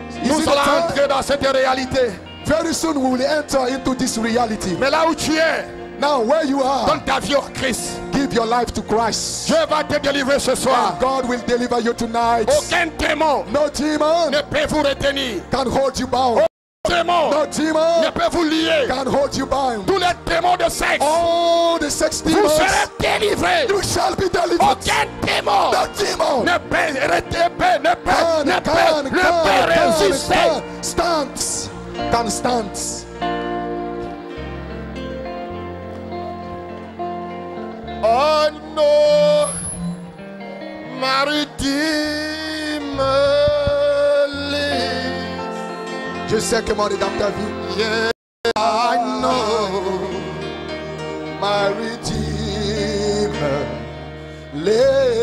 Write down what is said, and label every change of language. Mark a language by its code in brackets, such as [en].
[fr] Nous allons entrer dans cette réalité. [en] Very soon we will enter into this reality. [fr] Mais là où tu es, [en] now where you are, [fr] donne ta vie au Christ. [en] Give your life to Christ. [fr] Dieu va te délivrer ce soir. [en] And God will deliver you tonight. [fr] Aucun démon, [en] no demon, [fr] ne peut vous retenir. [en] Can hold you bound. No demon [fr] ne peut vous lier. [en] Can hold you bound. [fr] Tous les démons de sexe, [en] all the sex demons, [fr] vous serez délivrés. [en] You shall be delivered. [fr] Aucun démon, [en] no demon, [fr] ne peut retenir. Ne peut, ne peut, ne peut résister. [en] Stand, can stand. Oh no, maritime. [fr] Je sais que mon rédempteur vit. [en] Yeah, I know my redeemer lives.